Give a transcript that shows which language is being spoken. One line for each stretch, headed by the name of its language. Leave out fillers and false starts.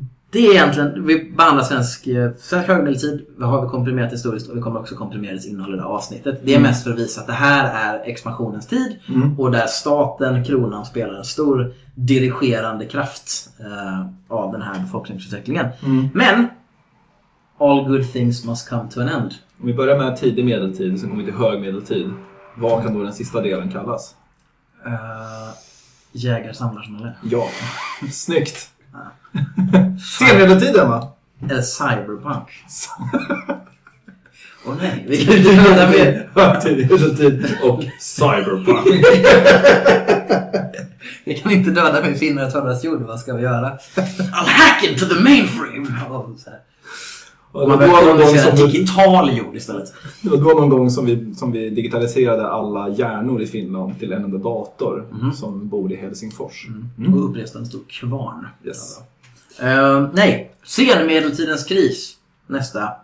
Swedish: Det är egentligen, vi behandlar svensk högmedeltid. Vi har komprimerat historiskt och vi kommer också komprimera dess innehåll i det avsnittet. Det är mest för att visa att det här är expansionens tid. Mm. Och där staten, kronan, spelar en stor dirigerande kraft av den här befolkningsutvecklingen. Mm. Men
English: All good things must come to an end.
Swedish: Om vi börjar med tidig medeltid, sen kommer vi till hög medeltid. Vad kan då den sista delen kallas? Jägarsamlarsamhälle. Ja, snyggt. Senmedeltiden va? Eller cyberpunk. Åh nej, vi kan inte göra mer. Tidig medeltid och cyberpunk. Vi kan inte döda med finare törrast jord, vad ska vi göra?
English: I'll hack into the mainframe!
Swedish: Och så här. Och man började använda sig av digital jord istället. Det var då någon gång som vi digitaliserade alla hjärnor i Finland till en enda dator som bodde i Helsingfors. Mm. Och uppreste en stor kvarn. Yes. Nej, senmedeltidens kris. Nästa.